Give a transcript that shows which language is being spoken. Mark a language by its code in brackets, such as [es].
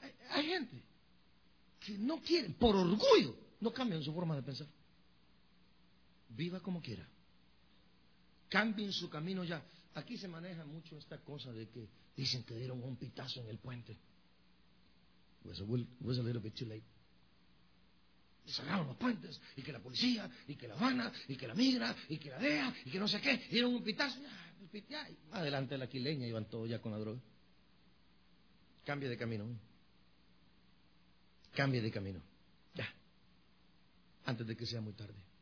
[es] Hay gente que no quiere, por orgullo, no cambian su forma de pensar. Viva como quiera. Cambien su camino ya. Aquí se maneja mucho esta cosa de que dicen que dieron un pitazo en el puente. [en] It was a little bit too late. [es] Y cerraron los puentes, y que la policía, y que La Habana, y que la migra, y que la DEA, y que no sé qué, dieron un pitazo. Adelante la quileña, iban todos ya con la droga. Cambie de camino. Cambie de camino. Ya. Antes de que sea muy tarde.